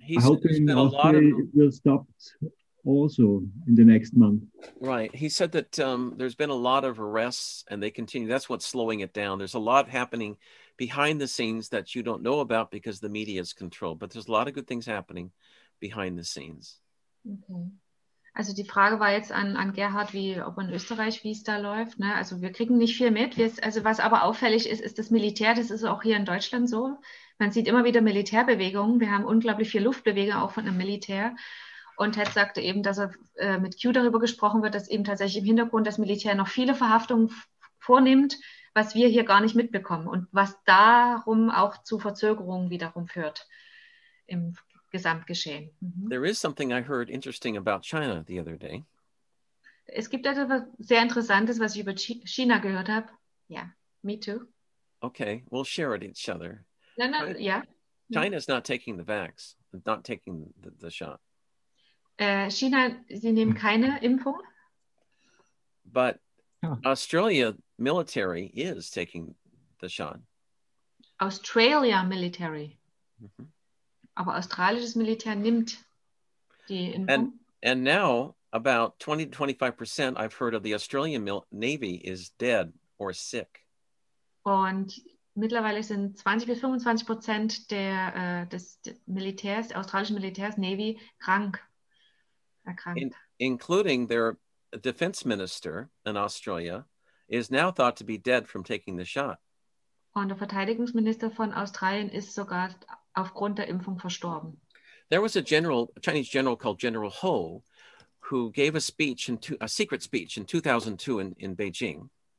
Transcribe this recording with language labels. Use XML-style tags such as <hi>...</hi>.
<en>It will stop also in the next month. Right. He said that there's been a lot of arrests and they continue. That's what's slowing it down. There's a lot happening behind the scenes that you don't know about because the media is controlled. But there's a lot of good things happening behind the scenes. Okay.</en> <de>Also die Frage war jetzt an Gerhard, ob in Österreich, wie es da läuft. Ne? Also wir kriegen nicht viel mit. Was aber auffällig ist, ist das Militär. Das ist auch hier in Deutschland so. Man sieht immer wieder Militärbewegungen. Wir haben unglaublich viel Luftbewegung auch von dem Militär. Und Ted sagte eben, dass er mit Q darüber gesprochen wird, dass eben tatsächlich im Hintergrund das Militär noch viele Verhaftungen vornimmt, was wir hier gar nicht mitbekommen und was darum auch zu Verzögerungen wiederum führt im Gesamtgeschehen.</de> <en>There is something I heard interesting about China the other day.</en> <de>Es gibt etwas sehr Interessantes, was ich über China gehört habe.</de> <en>Yeah, me too. Okay, we'll share it each other. No, yeah. China's not taking the vax, not taking the shot.</en> <de>China, sie nehmen keine Impfung.</de> <en>But Australia military is taking the shot. Australia military.</en> <de>Mm-hmm. Aber australisches Militär nimmt die Impfung.</de> <en>And now about 20-25% I've heard of the Australian Navy is dead or sick.</en> <de>Und mittlerweile sind 20-25% des australischen Militärs, Navy, krank. Erkrankt.</de> <en>Including their defense minister in Australia is now thought to be dead from taking the shot.</en> <de>Und der Verteidigungsminister von Australien ist sogar aufgrund der Impfung verstorben.</de> <en>There was a general, a Chinese general called General Ho, who gave a speech, a secret speech in 2002 in Beijing.</en>